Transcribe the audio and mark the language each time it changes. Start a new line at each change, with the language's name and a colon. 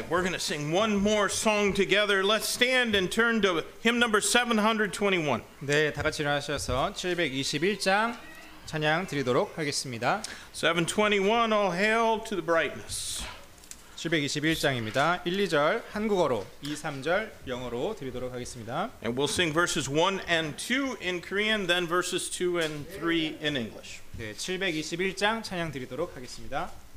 English: To sing one more song together. Let's stand and turn to hymn number 721.
Korean: 네, 다 같이 일어나셔서 721장 찬양 드리도록 하겠습니다.
English: 721, All Hail to the Brightness.
Korean: 721장입니다. 1, 2절 한국어로, 2, 3절 영어로 드리도록 하겠습니다.
English: And we'll sing verses 1 and 2 in Korean, then verses 2 and 3 in English.
Korean: 네, 721장 찬양 드리도록 하겠습니다.